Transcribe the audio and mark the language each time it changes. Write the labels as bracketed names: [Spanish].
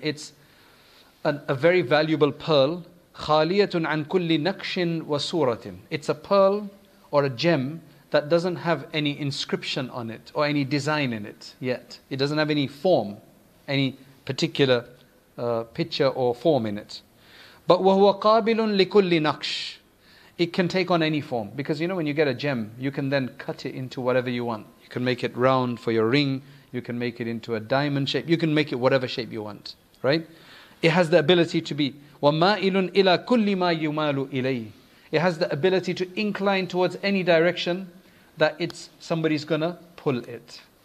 [English] It's a very valuable pearl. [Arabic] خَالِيَةٌ عَنْ كُلِّ نَقْشٍ وَسُورَةٍ. [English] It's a pearl or a gem that doesn't have any inscription on it or any design in it yet. It doesn't have any form, any particular picture or form in it. But [Arabic] وَهُوَ قَابِلٌ لِكُلِّ نَقْشٍ. [English] It can take on any form. Because you know, when you get a gem, you can then cut it into whatever you want. You can make it round for your ring. You can make it into a diamond shape. You can make it whatever shape you want, right? It has the ability to be [Arabic] وَمَائِلٌ إِلَىٰ كُلِّ مَا يُمَالُ إِلَيْهِ. [English] It has the ability to incline towards any direction that it's somebody's gonna pull it.